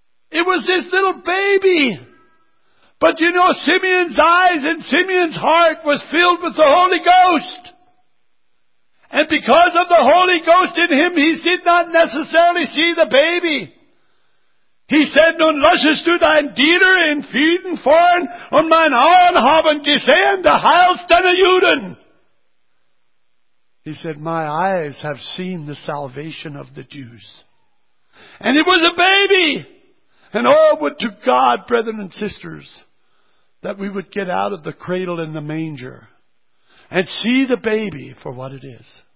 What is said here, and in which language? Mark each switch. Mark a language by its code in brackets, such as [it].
[en] It was this little baby. But you know, Simeon's eyes and Simeon's heart was filled with the Holy Ghost. And because of the Holy Ghost in him, he did not necessarily see the baby. He said, [de] Nun lassest du dein Diener in Frieden fahren, und mein Augen haben gesehen, du heilst deine Juden. [en] He said, my eyes have seen the salvation of the Jews. And it was a baby. And oh, would to God, brethren and sisters, that we would get out of the cradle and the manger and see the baby for what it is.